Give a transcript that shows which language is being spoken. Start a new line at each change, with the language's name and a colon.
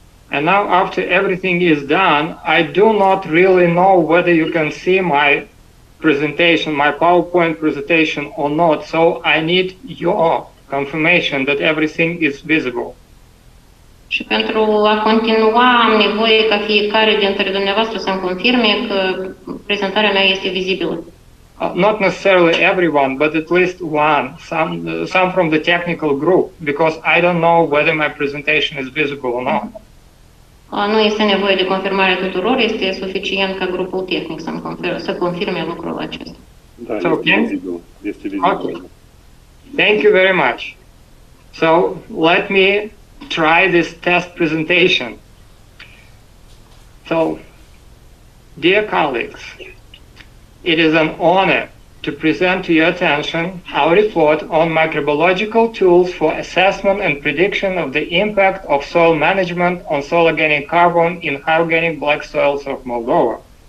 English: And now after everything is done, I do not really know whether you can see my presentation, my PowerPoint presentation or not, so I need your confirmation that everything is visible.
Romanian: Și pentru a continua, am nevoie ca fiecare dintre dumneavoastră să-mi confirme că prezentarea mea este vizibilă.
English: Not necessarily everyone, but at least one, some from the technical group, because I don't know whether my presentation is visible or not.
Romanian: Nu este nevoie de confirmarea tuturor, este suficient ca grupul tehnic să confirme lucrul acesta. Da, este okay. Vizibil. Este vizibil.
English: Okay. Thank you very much. So, let me try this test presentation. So, dear colleagues, it is an honor to present to your attention our report on microbiological tools for assessment and prediction of the impact of soil management on soil organic carbon in high organic black soils of Moldova.